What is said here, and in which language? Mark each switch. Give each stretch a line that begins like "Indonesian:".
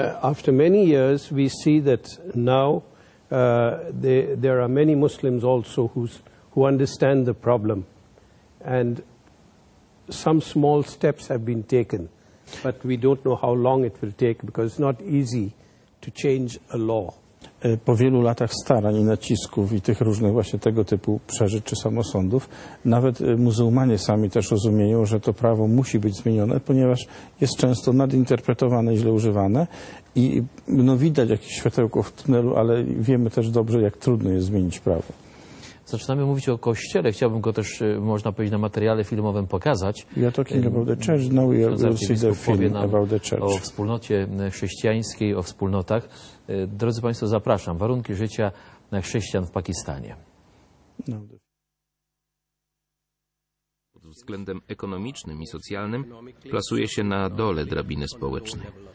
English: After many years, we see that now there are many Muslims also who understand the problem, and some small steps have been taken, but we don't know how long it will take because it's not easy to change a law.
Polish: Po wielu latach starań i nacisków i tych różnych właśnie tego typu przeżyć czy samosądów, nawet muzułmanie sami też rozumieją, że to prawo musi być zmienione, ponieważ jest często nadinterpretowane i źle używane i no, widać jakieś światełko w tunelu, ale wiemy też dobrze, jak trudno jest zmienić prawo. Zaczynamy mówić o Kościele. Chciałbym go też, można powiedzieć, na materiale filmowym pokazać.
English: You're talking about the church. Now you'll see the film about the church.
Polish: O wspólnocie chrześcijańskiej, o wspólnotach. Drodzy Państwo, zapraszam. Warunki życia chrześcijan w Pakistanie. Pod względem ekonomicznym i socjalnym plasuje się na dole drabiny społecznej.